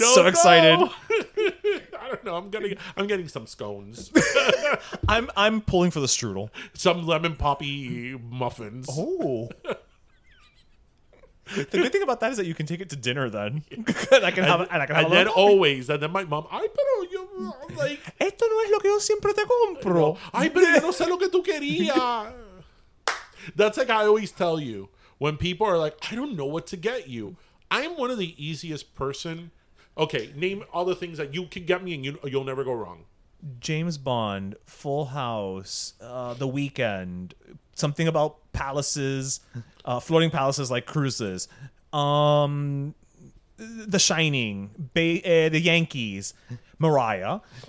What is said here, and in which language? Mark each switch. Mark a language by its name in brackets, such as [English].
[English] know. So excited. I don't know. I'm getting some scones. I'm pulling for the strudel. Some lemon poppy muffins. Oh. The good thing about that is that you can take it to dinner then. And I can have always. And then my mom, [Spanish] ay, pero yo, [English] like. [Spanish] Esto no es lo que yo siempre te compro. Ay, pero yo no sé lo que tú querías. [English] That's like I always tell you. When people are like, I don't know what to get you. I'm one of the easiest person. Okay, name all the things that you can get me and you'll never go wrong. James Bond, Full House, The Weeknd, something about palaces, floating palaces like cruises, The Shining, The Yankees, Mariah.